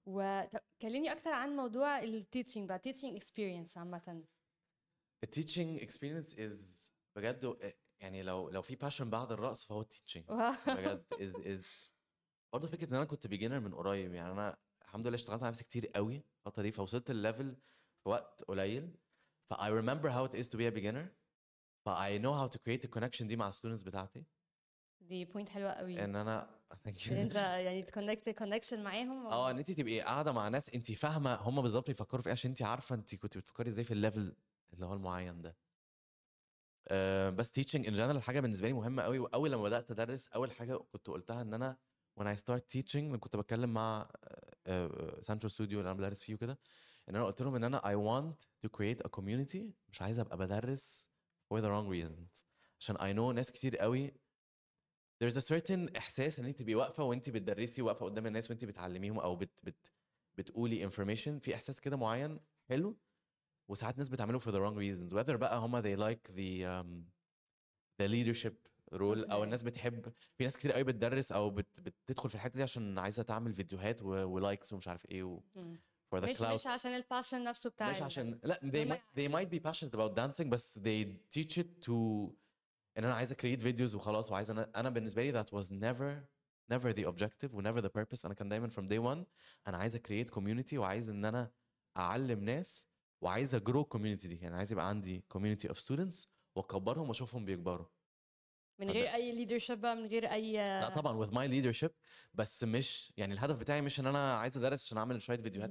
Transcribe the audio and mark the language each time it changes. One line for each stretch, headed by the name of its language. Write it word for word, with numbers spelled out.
Arabic: وكلمني اكتر عن موضوع التيتشنج بقى،
English: teaching experience
Arabic: عامة. ال
English: teaching experience is
Arabic: بجد و- يعني لو لو في passion بعد الرقص فهو teaching واو. بجد is is برضه فكره ان انا كنت بيجنر من قريب. يعني انا الحمد لله اشتغلت على نفسي كتير قوي الفتره دي، فوصلت الليفل في وقت قليل.
English: ف I remember how it is to be a beginner. ف I know how to create a connection
Arabic: دي مع
English: students
Arabic: بتاعتي. دي بوينت حلوه قوي ان انا
English: thank you.
Arabic: ان انت يعني تكونكت كونكشن معاهم. اه ان انت تبقي قاعده مع ناس انت فاهمه هم بالظبط بيفكروا في ايه، عشان انت عارفه انت كنت بتفكري ازاي في الليفل اللي هو المعين ده. آه، بس teaching in general حاجه بالنسبه لي مهمه قوي. واول لما بدات ادرس اول حاجه كنت قلتها ان انا
English: when I start teaching،
Arabic: أنا كنت بتكلم مع سانشو ستوديو اللي انا بدرس فيه وكده، ان انا قلت لهم ان انا
English: I want to create a community،
Arabic: مش عايز ابقى بدرس
English: for the wrong reasons.
Arabic: عشان
English: I know
Arabic: ناس كتير قوي
English: there's a certain
Arabic: احساس ان انت تبقي واقفه وانت بتدرسي، واقفه قدام الناس وانت بتعلميهم او بت بت بتقولي information، في احساس كده معين حلو، وساعات ناس بتعمله
English: for the wrong reasons
Arabic: whether بقى هما
English: they like the um, the leadership role،
Arabic: او
English: Okay.
Arabic: الناس بتحب، في ناس كتير قوي بتدرس او بت... بتدخل في الحته دي عشان عايزه تعمل فيديوهات و... ولايكس ومش عارف ايه و... مم.
English: for the
Arabic: مش
English: clout،
Arabic: مش عشان الباشن نفسه بتاع مش ال- عشان لا they هما
English: might, they might be passionate about dancing بس they teach it to
Arabic: ان انا عايز
English: create videos
Arabic: وخلاص، وعايز انا انا بالنسبه لي
English: that was never never the objective و never the purpose.
Arabic: انا كان دايما
English: from day one
Arabic: انا عايز create community، وعايز ان انا اعلم ناس، وعايز اجرو community دي، يعني عايز يبقى عندي
English: community of students
Arabic: واكبرهم واشوفهم بيكبروا. من فده- غير اي ليدرشيب بقى، من غير اي لا طبعا
English: with my leadership،
Arabic: بس مش يعني الهدف بتاعي مش ان انا عايز ادرس عشان اعمل شويه فيديوهات